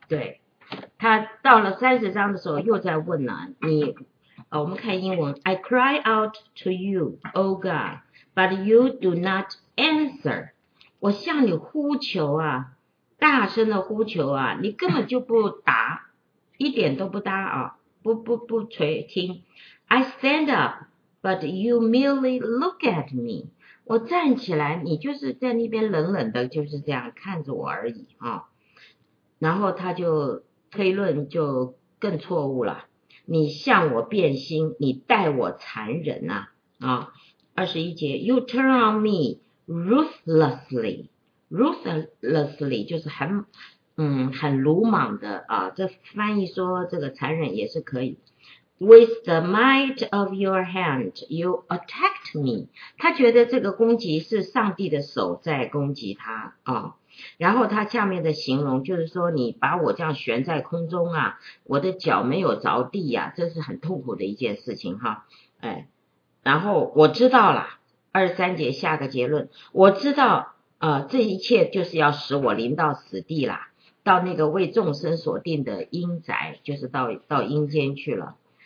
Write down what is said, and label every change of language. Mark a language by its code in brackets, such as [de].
[zh] 对，他到了30章的时候又在问了你，我们看英文， [en] I cry out to you, O God, but you do not answer. [zh] 我向你呼求啊，大声的呼求啊，你根本就不答，一点都不答啊。不垂听。 [en] I stand up, but you merely look at me. [zh] 我站起来，你就是在那边冷冷的就是这样看着我而已啊。然后他就推论，就更错误了。你向我变心，你待我残忍啊。二十一节 , [en] You turn on me ruthlessly. [zh] Ruthlessly 就是很鲁莽的啊，这翻译说这个残忍也是可以。 [en] With the might of your hand, you attacked me. [zh] 他觉得这个攻击是上帝的手在攻击他啊。然后他下面的形容就是说，你把我这样悬在空中啊，我的脚没有着地啊，这是很痛苦的一件事情哈。哎，然后我知道了，二三节下个结论，我知道这一切就是要使我临到死地啦，到那个为众生所定的阴宅，就是到阴间去了。